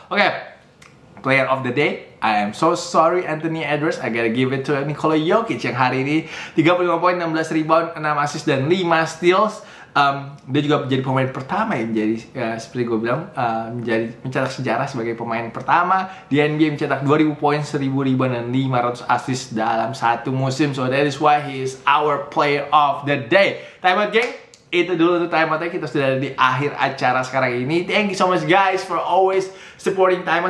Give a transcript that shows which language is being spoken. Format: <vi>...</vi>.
<en>Okay, player of the day, I am so sorry Anthony Edwards, I gotta give it to Nikola Jokic</en> <id>yang hari ini 35 poin, 16 rebound, 6 assist, dan 5 steals. Dia juga menjadi pemain pertama yang menjadi, seperti gue bilang, menjadi mencetak sejarah sebagai pemain pertama di NBA mencetak 2000 poin, 1000 rebound, dan 500 assist dalam satu musim.</id> <en>So that is why he is our player of the day.</en> <id>Time out gang, itu dulu untuk time out-nya. Kita sudah ada di akhir acara sekarang ini.</id> <en>Thank you so much guys for always supporting time out.</en>